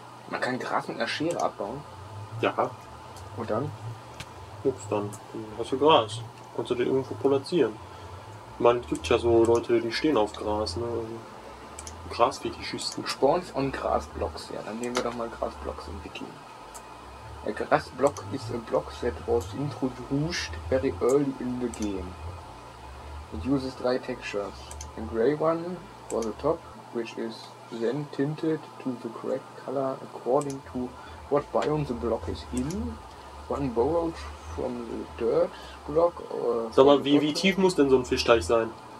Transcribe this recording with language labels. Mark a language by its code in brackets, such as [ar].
[de] Man kann Gras mit einer Schere abbauen. Ja. Und dann? Ups, dann hast du Gras. Kannst du dir irgendwo platzieren. Man gibt ja so Leute, die stehen auf Gras, ne? Grasfetischisten. [en] Spawns on [de] Grasblocks, ja, dann nehmen wir doch mal Grasblocks im Wiki. [en] A grass block is a block that was introduced very early in the game. It uses 3 textures. A gray one for the top, which is then tinted to the correct color according to what biome the block is in. One borrowed from the dirt block or... [de] Sag mal, wie tief muss denn so ein Fischteich sein?